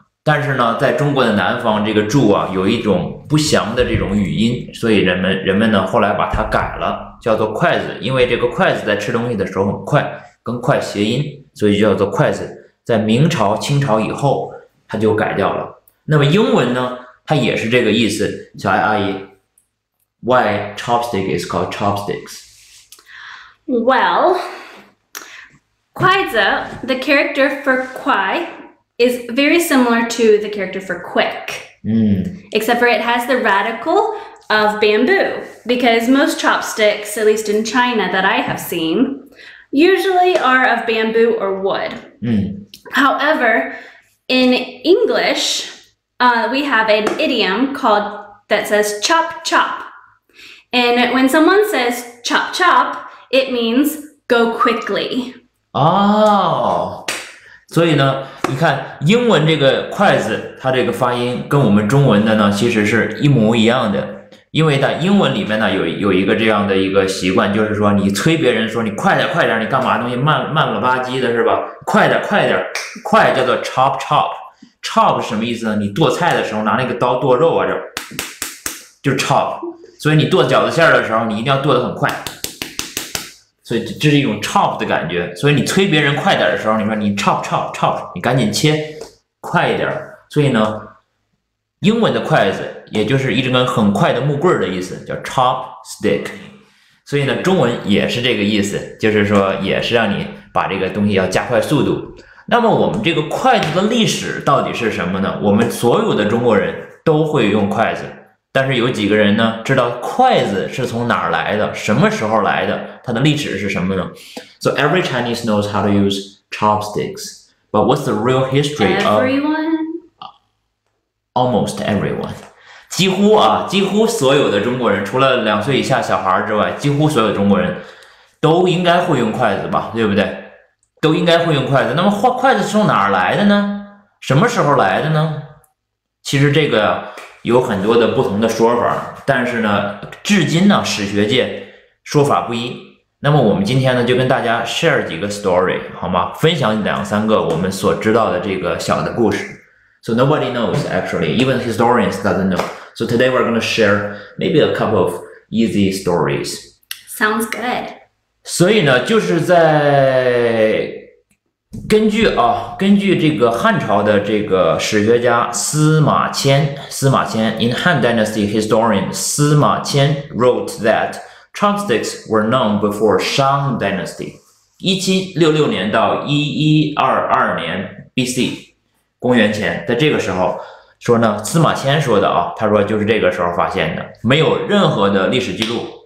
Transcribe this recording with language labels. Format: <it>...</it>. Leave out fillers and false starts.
<zh>但是呢，在中国的南方，这个箸啊有一种不祥的这种语音，所以人们呢后来把它改了，叫做筷子。因为这个筷子在吃东西的时候很快，跟快谐音，所以就叫做筷子。在明朝、清朝以后，它就改掉了。那么英文呢，它也是这个意思，小爱阿姨。</zh> <en>Why chopstick is called chopsticks? Well, 筷子, the character for 筷 is very similar to the character for quick. Except for it has the radical of bamboo. Because most chopsticks, at least in China that I have seen, usually are of bamboo or wood. However, in English, we have an idiom called, that says chop chop. And when someone says chop chop, it means go quickly.</en> <zh>哦，所以呢，你看英文这个筷子，它这个发音跟我们中文的呢，其实是一模一样的。因为在英文里面呢，有一个这样的一个习惯，就是说你催别人说你快点快点，你干嘛东西慢了吧唧的是吧？快点快点，快叫做 chop chop。chop 什么意思呢？你剁菜的时候拿那个刀剁肉啊，就 chop。所以你剁饺子馅的时候你一定要剁得很快。所以这是一种 chop 的感觉。所以你催别人快点的时候你说你 chop chop chop, 你赶紧切快一点。所以呢英文的筷子也就是一直跟很快的木棍的意思叫 chopstick。所以呢中文也是这个意思，就是说也是让你把这个东西要加快速度。那么我们这个筷子的历史到底是什么呢？我们所有的中国人都会用筷子。但是有几个人呢知道筷子是从哪儿来的，什么时候来的，它的历史是什么呢？</zh> <en>So every Chinese knows how to use chopsticks, but what's the real history of almost everyone?</en> <zh>几乎啊，几乎所有的中国人，除了两岁以下小孩之外，几乎所有中国人都应该会用筷子吧，对不对？都应该会用筷子。那么筷子是从哪儿来的呢？什么时候来的呢？其实这个有很多的不同的说法，但是呢，至今呢，史学界说法不一。那么我们今天呢，就跟大家 share 几个 story 好吗？分享两三个我们所知道的这个小的故事。</zh> <en>So nobody knows actually, even historians doesn't know. So today we're going to share maybe a couple of easy stories. Sounds good.</en> <zh>所以呢，就是在根据这个汉朝的这个史学家司马迁</zh> <en>in Han Dynasty historian 司马迁 wrote that chopsticks were known before Shang Dynasty</en> <zh>1766年到1122年 BC 公元前，在这个时候说呢，司马迁说的啊，他说就是这个时候发现的，没有任何的历史记录，</zh>